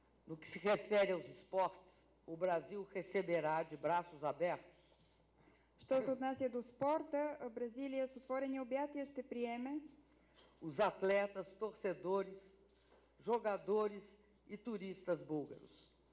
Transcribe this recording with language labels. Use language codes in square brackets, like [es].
[pt] No que se refere aos esportes, o Brasil receberá de braços abertos. [bg] Що се отнася до спорта, Бразилия с отворени обятия ще приеме [pt] os atletas, torcedores, jogadores и туристас българос.